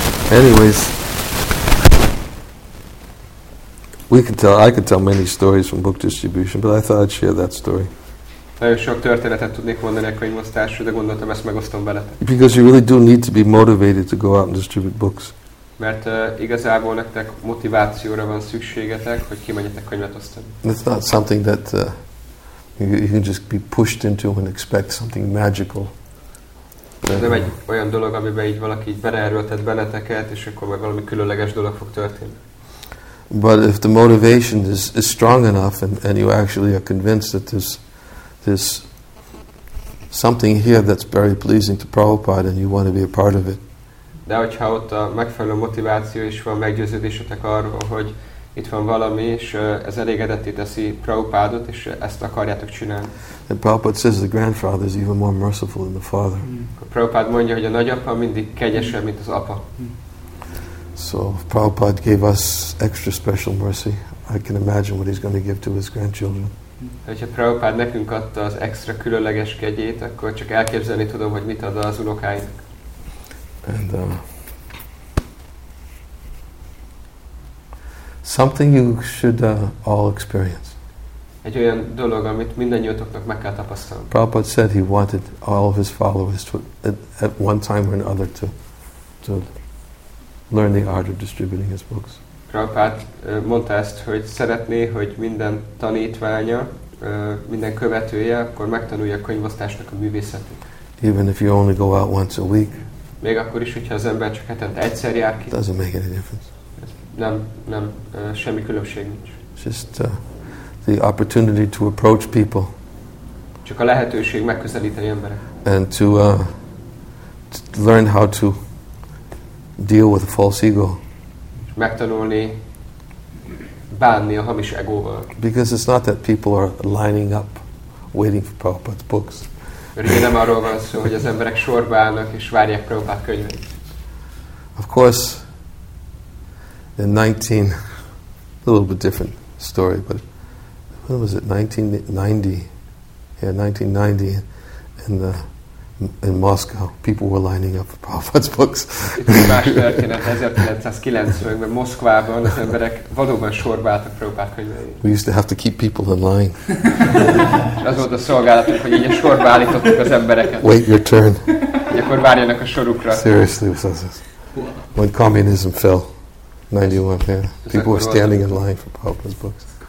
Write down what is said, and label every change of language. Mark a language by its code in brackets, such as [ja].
[en] Anyways, I could tell many stories from book distribution, but I thought I'd share that story. [hu] Nagyon sok történetet tudnék mondani a könyvosztásról, de gondoltam, ezt megosztom veletek. [en] Because you really do need to be motivated to go out and distribute books. [hu] Mert igazából nektek motivációra van szükségetek, hogy kimenjetek könyvet osztani. [en] It's not something that you can just be pushed into and expect something magical. [hu] Ez nem egy olyan dolog, amiben így valaki így beleerőltet benneteket, és akkor majd valami különleges dolog fog történni. [en] But if the motivation is strong enough and you actually are convinced that there's something here that's very pleasing to Prabhupada and you want to be a part of it. [hu] De hogyha ott a megfelelő motiváció is van, meggyőződésetek arról, hogy itt van valami, és ez elégedetté teszi Prabhupádot, és ezt akarjátok csinálni. [en] And Prabhupada says the grandfather is even more merciful than the father. [hu] A Prabhupada mondja, hogy a nagyapa mindig kegyesebb, mint az apa. [en] So if Prabhupada gave us extra special mercy, I can imagine what he's going to give to his grandchildren. [hu] Hogyha Prabhupada nekünk adta az extra különleges kegyét, akkor csak elképzelni tudom, hogy mit ad az unokáinak. [en] And something you should all experience. [hu] Egy olyan dolog, amit mindannyiótoknak meg kell tapasztalni. [en] Prabhupada said he wanted all of his followers to at one time or another to learn the art of distributing his books. [hu] Prabhupada mondta ezt, hogy szeretné, hogy minden tanítványa, minden követője, akkor megtanulja a könyvosztásnak a művészetét. [en] Even if you only go out once a week. [hu] Még akkor is, hogyha az ember csak hetente egyszer jár ki. [en] Doesn't make any difference. [hu] Nem, semmi különbség nincs. [en] Just the opportunity to approach people. [hu] Csak a lehetőség megközelíteni emberek. [en] And to learn how to deal with a false ego. [hu] Megtanulni bánni a hamis egóval. [en] Because it's not that people are lining up waiting for Prabhupada's books. [hu] Mert nem arról van szó, hogy az emberek sorba állnak és várják Prabhupada könyveit. [en] Of course, in 19, a little bit different story, but when was it? 1990. Yeah, 1990 in Moscow. People were lining up for Prabhupada's books. [hu] Itt más történet, 1990-ben Moszkvában az emberek valóban sorba álltak Prabhupada könyveit. [en] We used to have to keep people in line. [hu] Az volt a szolgálatunk, hogy így sorba állítottuk az embereket. [en] Wait your turn. [hu] Így akkor várjanak a sorukra. [en] Seriously, when communism fell. 91, yeah. People were standing in line for Prabhupada's books.